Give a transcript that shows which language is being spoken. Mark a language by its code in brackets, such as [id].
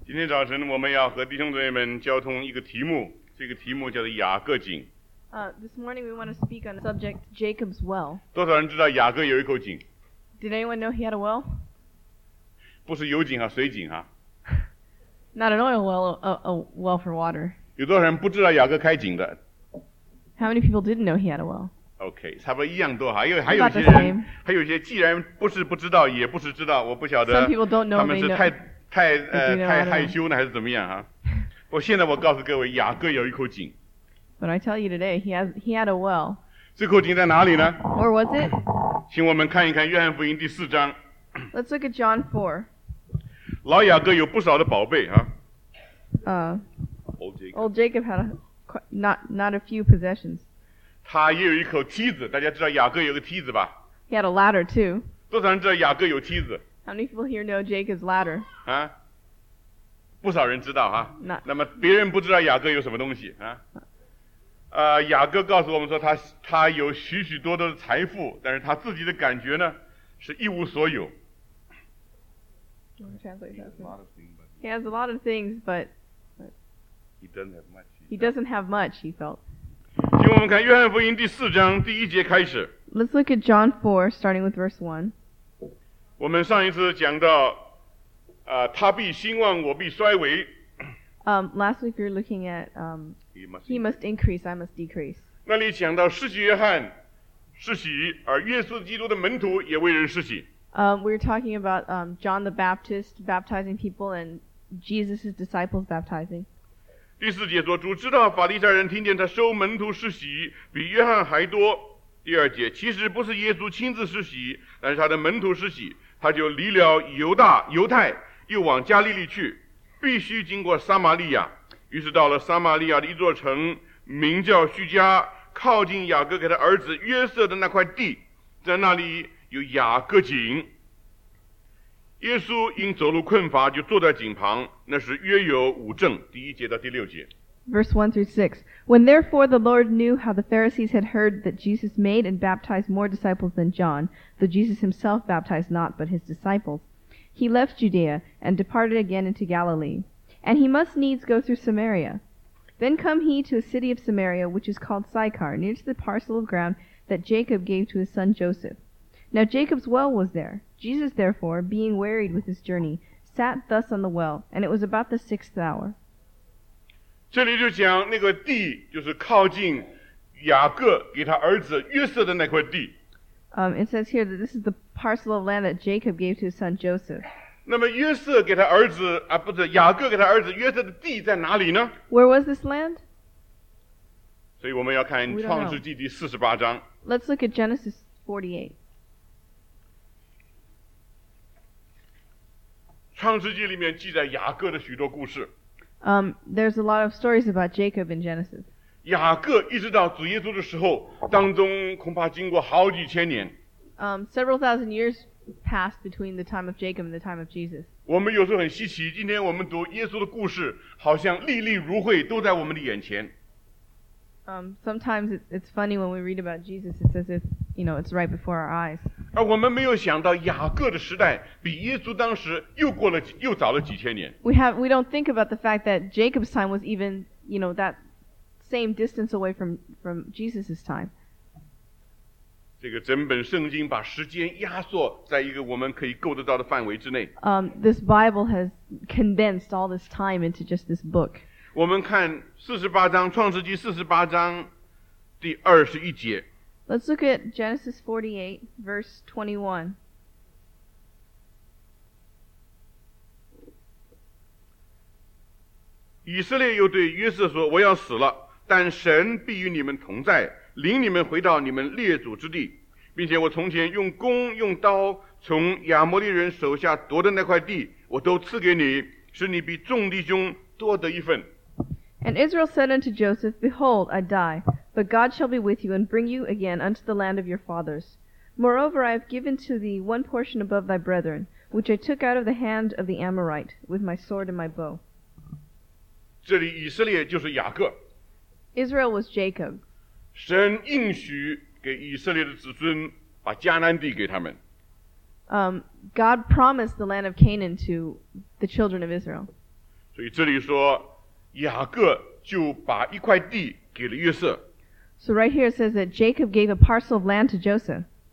[zh] 今天早晨我们要和弟兄姊妹们交通一个题目，这个题目叫做雅各井。 [en] This morning we want to speak on the subject Jacob's well. [zh] 多少人知道雅各有一口井？ [en] Did anyone know he had a well? [zh] 不是油井啊，水井啊。 [en] Not an oil well, a well for water. [zh] 有多少人不知道雅各开井的？ [en] How many people didn't know he had a well? [zh] Okay, 差不多一样多哈，因为还有些人，还有些既然不是不知道，也不是知道，我不晓得。 [en] Some people don't know. [zh] 他们是太。太害羞了还是怎么样啊？我现在我告诉各位，雅各有一口井。 [en] But I tell you today, he had a well. [zh] 这口井在哪里呢 [en] ？Or was it? [zh] 请我们看一看约翰福音第四章。 [en] Let's look at John 4. [zh] 老雅各有不少的宝贝啊。 [en] Old Jacob had not a few possessions. [zh] 他也有一口梯子，大家知道雅各有个梯子吧 [en] ？He had a ladder too. [zh] 多少人知道雅各有梯子？ [en] How many people here know Jacob's ladder? [zh] 啊，不少人知道哈。那么别人不知道雅各有什么东西啊？雅各告诉我们说他有许许多多的财富，但是他自己的感觉呢是一无所有。 [en] He has a lot of things, but he doesn't have much. He doesn't have much. He felt. [zh] 请我们看约翰福音第四章第一节开始。 [en] Let's look at John 4, starting with verse 1. [zh] 我们上一次讲到，他必兴旺，我必衰微。 [en] Last week we were looking at he must increase, I must decrease. [zh] 那里讲到施洗约翰施洗，而耶稣基督的门徒也为人施洗。 [en] We were talking about John the Baptist baptizing people and Jesus' disciples baptizing. [zh] 第四节说，主知道法利赛人听见他收门徒施洗比约翰还多。第二节，其实不是耶稣亲自施洗，但是他的门徒施洗，他就离了犹太，又往加利利去，必须经过撒玛利亚。于是到了撒玛利亚的一座城，名叫叙加，靠近雅各给他儿子约瑟的那块地，在那里有雅各井。耶稣因走路困乏，就坐在井旁，那是约有五正。第一节到第六节。 [en] Verse 1 through 6. When therefore the Lord knew how the Pharisees had heard that Jesus made and baptized more disciples than John, though Jesus himself baptized not but his disciples, he left Judea and departed again into Galilee. And he must needs go through Samaria. Then come he to a city of Samaria, which is called Sychar, near to the parcel of ground that Jacob gave to his son Joseph. Now Jacob's well was there. Jesus therefore, being wearied with his journey, sat thus on the well, and it was about the sixth hour. [zh] 这里就讲那个地就是靠近雅各给他儿子约瑟的那块地。 [en] It says here that this is the parcel of land that Jacob gave to his son Joseph. [zh] 那么约瑟给他儿子啊，不是雅各给他儿子约瑟的地在哪里呢 [en] ？Where was this land? [zh] 所以我们要看创世纪第四十八章。 [en] Let's look at Genesis 48. [zh] 创世纪里面记载雅各的许多故事。 [en] There's a lot of stories about Jacob in Genesis. [zh] 雅各一直到主耶稣的时候，当中恐怕经过好几千年。 [en] Several thousand years passed between the time of Jacob and the time of Jesus. [zh] 我们有时候很稀奇，今天我们读耶稣的故事，好像历历如绘，都在我们的眼前。 [en] Sometimes it's funny when we read about Jesus, it's as if, you know, it's right before our eyes. [zh] 而我们没有想到雅各的时代比耶稣当时又早了几千年。 [en] We don't think about the fact that Jacob's time was even, you know, that same distance away from Jesus' time. [zh] 这个整本圣经把时间压缩在一个我们可以够得到的范围之内。 [en] This Bible has condensed all this time into just this book. [zh] 我们看四十八章，创世纪四十八章第二十一节。 [en] Let's look at Genesis 48, verse 21. [zh] 以色列又对约瑟说：“我要死了，但神必与你们同在，领你们回到你们列祖之地，并且我从前用弓用刀从亚摩利人手下夺的那块地，我都赐给你，使你比众弟兄多得一份。” [en] And Israel said unto Joseph, Behold, I die, but God shall be with you and bring you again unto the land of your fathers. Moreover, I have given to thee one portion above thy brethren, which I took out of the hand of the Amorite with my sword and my bow. [zh] 这里以色列就是雅各。 [en] Israel was Jacob. [zh] 神应许给以色列的子孙把迦南地给他们。 [en] God promised the land of Canaan to the children of Israel. [zh] 所以这里说雅各就把一块地给了约瑟。 [en] So right here it says that Jacob gave a parcel of land to Joseph.